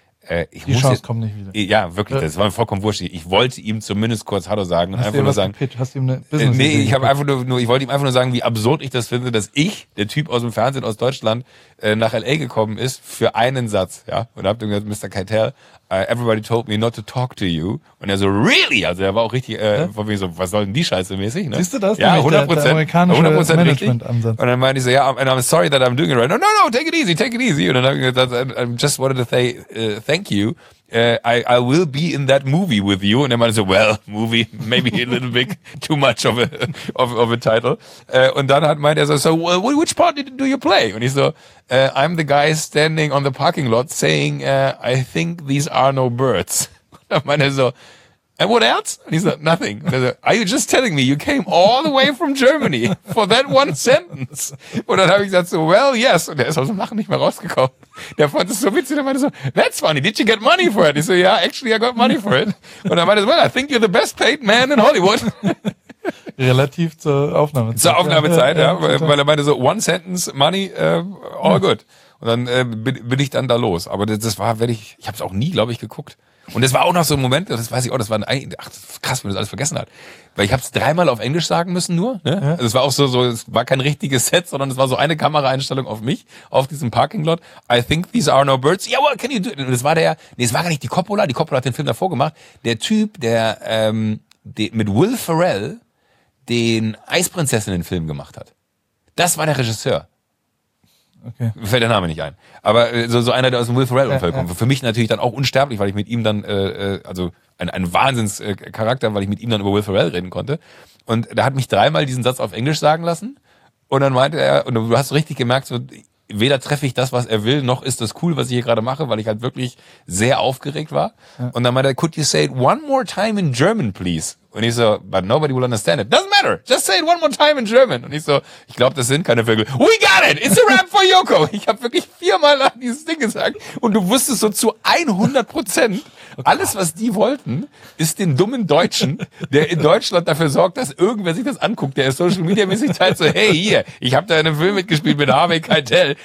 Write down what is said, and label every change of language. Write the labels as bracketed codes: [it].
[de] Die Chance jetzt, kommt nicht wieder. Ja, wirklich, das war mir vollkommen wurscht. Ich wollte ihm zumindest kurz Hallo sagen. Hast einfach du nur sagen, gepitcht? Hast du ihm eine Business-Idee? Nee, ich habe einfach nur, ich wollte ihm einfach nur sagen, wie absurd ich das finde, dass ich, der Typ aus dem Fernsehen aus Deutschland, nach L.A. gekommen ist für einen Satz. Ja, und hab dann gesagt, Mr. [en] Keitel, everybody told me not to talk to you. [de] Und er so, really? Also er war auch richtig von mir so, was soll denn die Scheiße mäßig? Ne? Siehst du das? Ja, 100%. Der amerikanische 100% Management-Ansatz. Und dann meinte ich so, [en] yeah, and I'm sorry that I'm doing it right. No, take it easy. [de] Und dann hab ich gesagt, [en] I just wanted to say thank you. I will be in that movie with you. [de] Und er meinte so, [en] well, movie, maybe a little bit too much of a title. [de] Und dann meinte er so, [en] so which part do you play? [de] Und ich so, [en] I'm the guy standing on the parking lot saying, I think these are no birds. [de] Und dann meinte er so, [en] and what else? [de] Und ich so, [en] nothing. [de] Und er so, [en] are you just telling me you came all the way from Germany for that one sentence? [de] Und dann habe ich gesagt so, [en] well, yes. [de] Und er ist aus dem Lachen nicht mehr rausgekommen. Der fand es so witzig, der meinte so, [en] that's funny, did you get money for it? [de] Ich so, [en] yeah, actually I got money for it. [de] Und er meinte so, [en] well, I think you're the best paid man in Hollywood. [de] Relativ zur Aufnahmezeit. Zur Aufnahmezeit, weil er meinte so, [en] one sentence, money, all good. [de] Und dann bin ich dann da los. Aber das war, ich habe es auch nie, glaube ich, geguckt. Und das war auch noch so ein Moment, das weiß ich auch, das war krass, wenn man das alles vergessen hat. Weil ich hab's dreimal auf Englisch sagen müssen nur. Ne? Ja. Also es war auch so, es war kein richtiges Set, sondern es war so eine Kameraeinstellung auf mich, auf diesem Parkinglot. [en] I think these are no birds. Yeah, what can you do? [de] Und das war es war gar nicht die Coppola. Die Coppola hat den Film davor gemacht. Der Typ, der mit Will Ferrell den Eisprinzessinnen-Film gemacht hat. Das war der Regisseur. Okay. Fällt der Name nicht ein. Aber so einer, der aus dem Will Ferrell-Umfeld kommt. Für mich natürlich dann auch unsterblich, weil ich mit ihm dann, ein Wahnsinnscharakter, weil ich mit ihm dann über Will Ferrell reden konnte. Und da hat mich dreimal diesen Satz auf Englisch sagen lassen. Und dann meinte er, und du hast richtig gemerkt, so, weder treffe ich das, was er will, noch ist das cool, was ich hier gerade mache, weil ich halt wirklich sehr aufgeregt war. Ja. Und dann meinte er, [en] could you say it one more time in German, please? [de] Und ich so, [en] but nobody will understand it. Doesn't matter. Just say it one more time in German. [de] Und ich so, ich glaube, das sind keine Vögel. [en] We got it. It's a rap for Joko. [de] Ich habe wirklich viermal lang dieses Ding gesagt. Und du wusstest so zu 100%, alles, was die wollten, ist den dummen Deutschen, der in Deutschland dafür sorgt, dass irgendwer sich das anguckt, der ist social media mäßig teilt, so, hey, hier, ich habe da in einem Film mitgespielt mit Harvey Keitel.